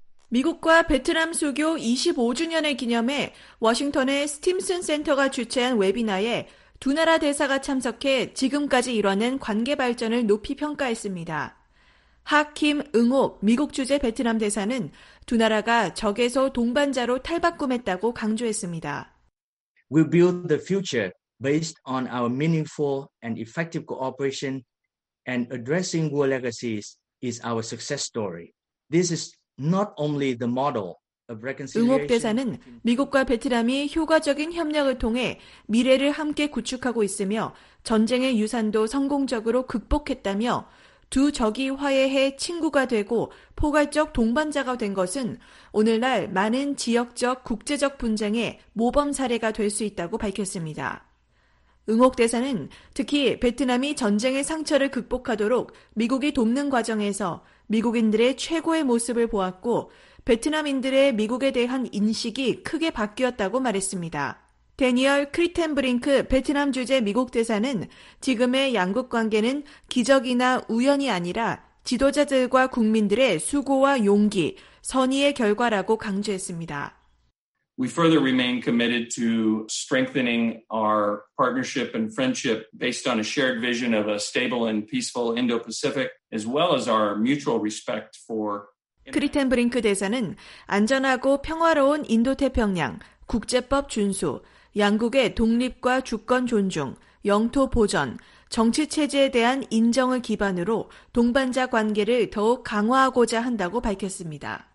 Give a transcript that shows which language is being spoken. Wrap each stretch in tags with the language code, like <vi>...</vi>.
<ko>미국과 베트남 수교 25주년을 기념해 워싱턴의 스팀슨 센터가 주최한 웨비나에 두 나라 대사가 참석해 지금까지 이뤄낸 관계 발전을 높이 평가했습니다. 하킴 응호 미국 주재 베트남 대사는 두 나라가 적에서 동반자로 탈바꿈했다고 강조했습니다.</ko> <en>We build the future based on our meaningful and effective cooperation and addressing war legacies is our success story. This is not only the model of reconciliation.</en> <ko>응호 대사는 미국과 베트남이 효과적인 협력을 통해 미래를 함께 구축하고 있으며 전쟁의 유산도 성공적으로 극복했다며 두 적이 화해해 친구가 되고 포괄적 동반자가 된 것은 오늘날 많은 지역적 국제적 분쟁의 모범 사례가 될 수 있다고 밝혔습니다. 응옥 대사는 특히 베트남이 전쟁의 상처를 극복하도록 미국이 돕는 과정에서 미국인들의 최고의 모습을 보았고 베트남인들의 미국에 대한 인식이 크게 바뀌었다고 말했습니다. 대니얼 크리텐브링크 베트남 주재 미국 대사는 지금의 양국 관계는 기적이나 우연이 아니라 지도자들과 국민들의 수고와 용기, 선의의 결과라고 강조했습니다.</ko> <en>We further remain committed to strengthening our partnership and friendship based on a shared vision of a stable and peaceful Indo-Pacific as well as our mutual respect for</en> <ko>크리텐브링크 대사는 안전하고 평화로운 인도태평양, 국제법 준수, 양국의 독립과 주권 존중, 영토 보전, 정치 체제에 대한 인정을 기반으로 동반자 관계를 더욱 강화하고자 한다고 밝혔습니다.</ko>